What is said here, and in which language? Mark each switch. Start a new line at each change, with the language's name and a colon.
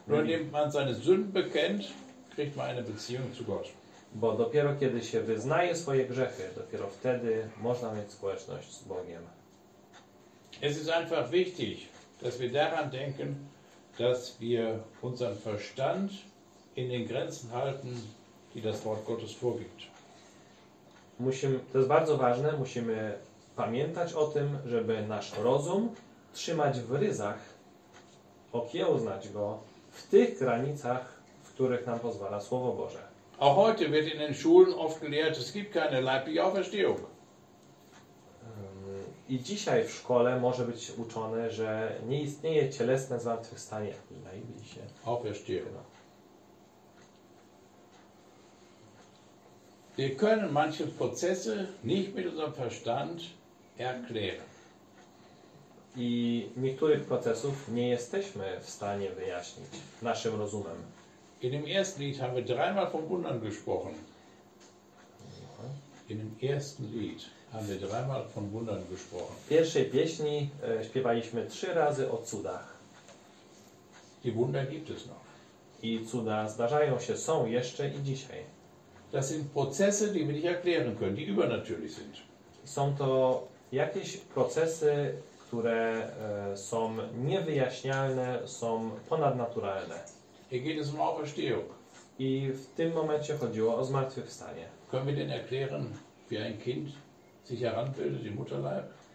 German: Nur indem man seine Sünden bekennt, kriegt man eine Beziehung zu Gott.
Polish: Bo dopiero kiedy się wyznaje swoje grzechy, dopiero wtedy można mieć społeczność z Bogiem.
German: Es ist einfach wichtig, dass wir daran denken, dass wir unseren Verstand in den Grenzen halten, die das Wort Gottes vorgibt.
Polish: To jest bardzo ważne, musimy pamiętać o tym, żeby nasz rozum trzymać w ryzach, okiełznać go w tych granicach, w których nam pozwala Słowo Boże.
German: Auch heute wird in den Schulen oft gelehrt, es gibt keine leibliche Auferstehung.
Polish: I dzisiaj w szkole może być uczone, że nie istnieje cielesne zmartwychwstanie.
German: Leibliche Auferstehung. No. Wir können manche Prozesse nicht mit unserem Verstand erklären.
Polish: I niektórych procesów nie jesteśmy w stanie wyjaśnić naszym rozumem.
German: In dem ersten Lied haben wir dreimal von Wundern gesprochen. In dem ersten Lied haben wir dreimal von Wundern gesprochen.
Polish: W pierwszej pieśni śpiewaliśmy trzy razy o cudach.
German: Die Wunder gibt es noch.
Polish: I cuda zdarzają się, są jeszcze i dzisiaj.
German: Das sind Prozesse, die wir nicht erklären können, die übernatürlich sind.
Polish: Są to jakieś procesy, które są niewyjaśnialne, są ponadnaturalne.
German: Hier geht es um Auferstehung.
Polish: I w tym momencie chodziło o zmartwychwstanie.
German: Können wir denn erklären, wie ein Kind sich heranbildet im Mutterleib?